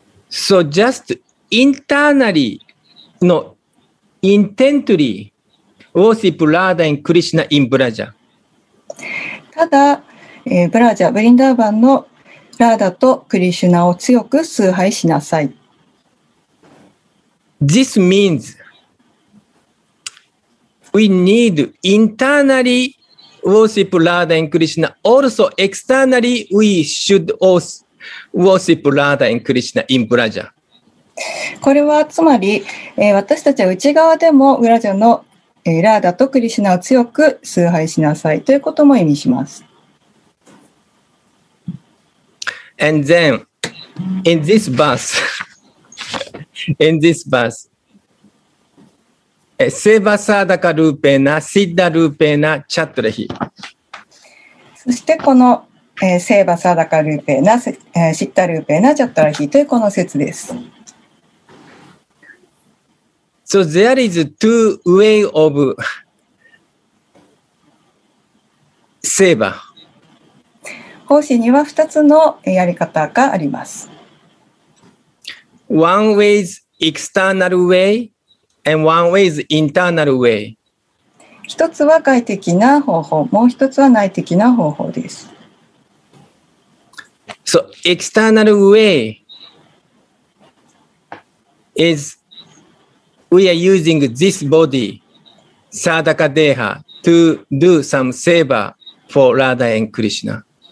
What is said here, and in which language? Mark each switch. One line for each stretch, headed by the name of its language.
English: So just internally, no, intently worship Radha and Krishna in Braja.
Japanese: ただ、ブラジャ、ブリンダーバンのラーダとクリシュナを強く崇拝しなさい。
English: This means we need internally worship Radha and Krishna. Also externally we should also worship Radha and Krishna in Braja.
Japanese: これはつまり、私たちは内側でもブラジャの、ラーダとクリシュナを強く崇拝しなさいということも意味します。
English: And then, in this verse,
Sanskrit: Seva Sadaka Rupena, Siddha Rupena, Chatrahi.
Japanese: そしてこのセーバサダカルーペナシッタルーペナジャットラヒというこの説です。
English: So there is two way of セーバ、
Japanese: 法師には二つのやり方があります。
English: One way is external way and one way is internal way。
Japanese: 一つは外的な方法、もう一つは内的な方法です。
English: So, external way is we are using this body, Sadaka Deha, to do some seva for Radha and Krishna.